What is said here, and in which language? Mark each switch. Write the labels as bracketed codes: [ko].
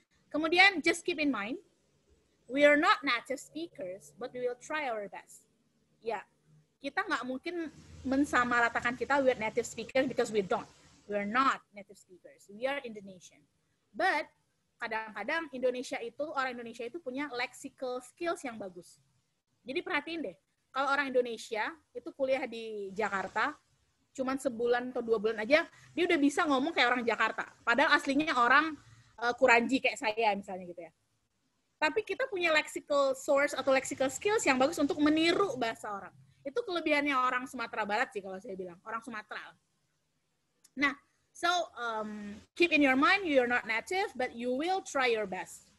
[id] Kemudian [en] just keep in mind, we are not native speakers, but we will try our best. [id] Ya, kita nggak mungkin mensamaratakan kita [en] we are native speakers because we don't. We are not native speakers. We are Indonesian. But [id] kadang-kadang Indonesia itu, orang Indonesia itu punya lexical skills yang bagus. Jadi perhatiin deh, kalau orang Indonesia itu kuliah di Jakarta, cuman sebulan atau dua bulan aja, dia udah bisa ngomong kayak orang Jakarta. Padahal aslinya orang Kuranji kayak saya misalnya gitu ya. Tapi kita punya lexical source atau lexical skills yang bagus untuk meniru bahasa orang. Itu kelebihannya orang Sumatera Barat sih kalau saya bilang. Orang Sumatera. [en] Nah, so keep in your mind you're not native, but you will try your best.